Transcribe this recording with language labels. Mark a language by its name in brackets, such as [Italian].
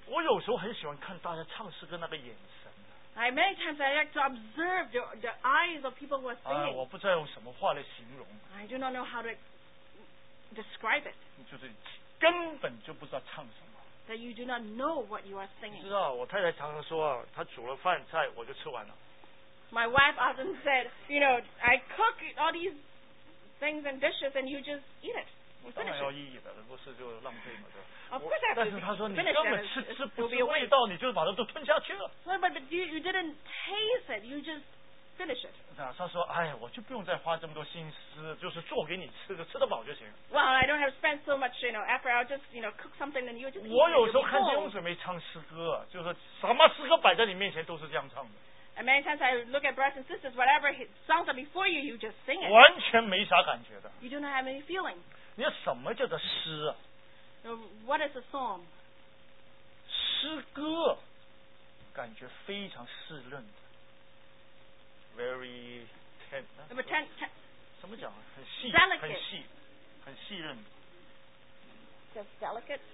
[Chinese] 我有时候很喜欢看大家唱诗歌那个眼神。 [English] Many times I like to observe the eyes of people who are singing. [Chinese] 我不知道用什么话来形容。 [English] I do not know how to describe it. [Chinese] 就是根本就不知道唱什么。 [English] That you do not know what you are singing. [Chinese] 知道，我太太常常说啊，她煮了饭菜，我就吃完了。 [English] My wife often said, you know, I cook all these things and dishes, and you just eat it. [Chinese] 当然要意义的，不是就浪费嘛，对吧？ [English] Of course, I have to. [Chinese] 但是他说你根本吃不出味道，你就把它都吞下去了。 [English] No, but you didn't taste it. You just finish it. [Chinese] 他说，哎，我就不用再花这么多心思，就是做给你吃的，吃得饱就行。 [English] Well, I don't have to spend so much, you know, effort. I'll just, you know, cook something and you just eat it. [Chinese] 我有时候看弟兄姊妹唱诗歌，就是什么诗歌摆在你面前都是这样唱的。 [English] And many times I look at brothers and sisters, whatever songs are before you, you just sing it. [Chinese] 完全没啥感觉的。 [English] You do not have any feeling. [Chinese] 你说什么叫做诗啊？ [English] What is a song? [Chinese] 诗歌，感觉非常湿润的 ， [English] very tender. But tender. [Chinese] 怎么讲？很细， [English] delicate. [Chinese] 很细，很细润。 [English] Just delicate.